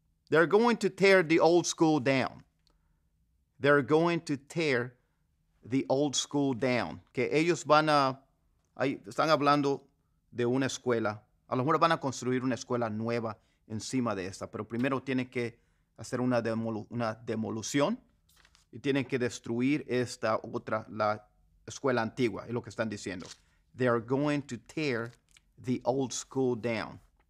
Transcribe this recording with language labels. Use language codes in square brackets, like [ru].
[en] They're going to tear the old school down. They're going to tear the old school down. [es] Que ellos van a, están hablando de una escuela. A lo mejor van a construir una escuela nueva encima de esta, pero primero tienen que hacer una demolición y tienen que destruir esta otra, la escuela antigua, es lo que están diciendo. [en] They are going to tear the old school down.